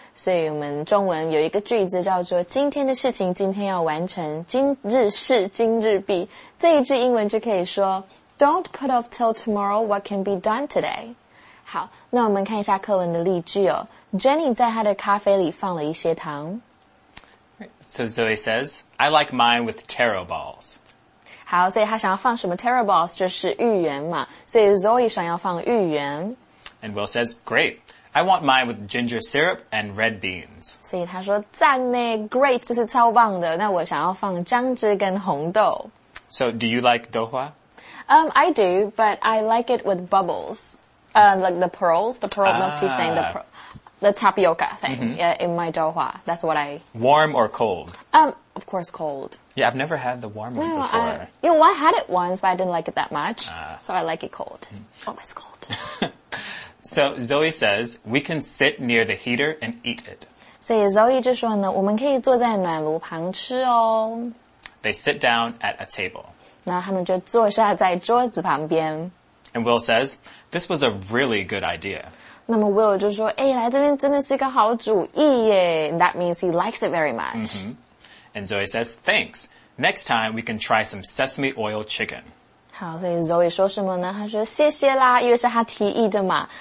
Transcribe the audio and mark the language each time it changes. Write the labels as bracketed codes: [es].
[zh] 所以我们中文有一个句子叫做“今天的事情今天要完成，今日事今日毕”。这一句英文就可以说 [en] ：“Don't put off till tomorrow what can be done today。” [zh] 好，那我们看一下课文的例句哦。 Jenny 在她的咖啡里放了一些糖。 [en] So Zoe says, I like mine with taro balls. [zh] 好，所以他想要放什么 taro balls 就是芋圆嘛，所以 Zoe 想要放芋圆。 [en] And Will says, great, I want mine with ginger syrup and red beans. [zh] 所以他说赞呢 ,great 就是超棒的，那我想要放姜汁跟红豆。 [en] So do you like douhua? I do, but I like it with bubbles. Like the pearls, the pearl milk tea thing, the tapioca thing, yeah, in my douhua. That's what I... Warm or cold? Of course, cold. Yeah, I've never had the warm one before. I had it once, but I didn't like it that much. So I like it cold. Always cold. So Zoe says, we can sit near the heater and eat it. [zh] 所以 Zoe 就说呢，我们可以坐在暖炉旁吃哦。 [en] They sit down at a table. [zh] 然后他们就坐下在桌子旁边。 [en] And Will says, this was a really good idea. [zh] 那么 Will 就说，哎，来这边真的是一个好主意耶。 [en] That means he likes it very much. Mm-hmm. And Zoe says, thanks. Next time we can try some sesame oil chicken. [zh] 好，所以 Zoe 说什么呢？他说谢谢啦，因为是他提议的嘛。